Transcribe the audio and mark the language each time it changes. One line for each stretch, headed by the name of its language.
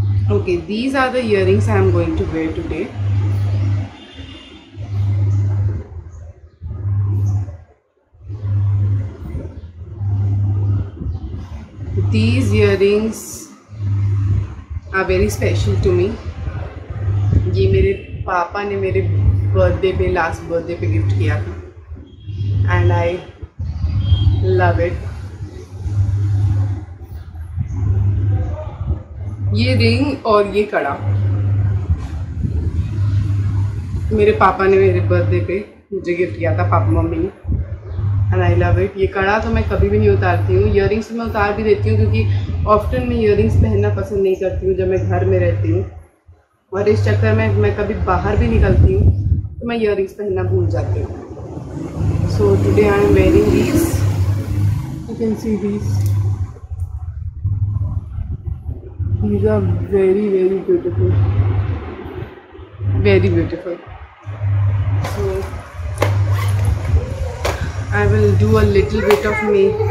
English: Okay, these are the earrings I'm going to wear today. These earrings are very special to me.
Hindi: ये मेरे पापा ने मेरे birthday पे last birthday पे gift किया था
English: and I love it.
Hindi: ये ring और ये कड़ा मेरे पापा ने मेरे birthday पे मुझे gift किया था पापा मम्मी ने.
English: And I love it.
Hindi: ये कड़ा तो मैं कभी भी नहीं उतारती हूँ. Earrings मैं उतार भी देती हूँ क्योंकि often मैं earrings पहनना पसंद नहीं करती हूँ जब मैं घर में रहती हूँ. और इस चक्कर में मैं कभी बाहर भी निकलती हूँ तो मैं earrings पहनना भूल जाती हूँ.
English: So today I am wearing these. You can see these are very, very beautiful. So I will do a little bit of me.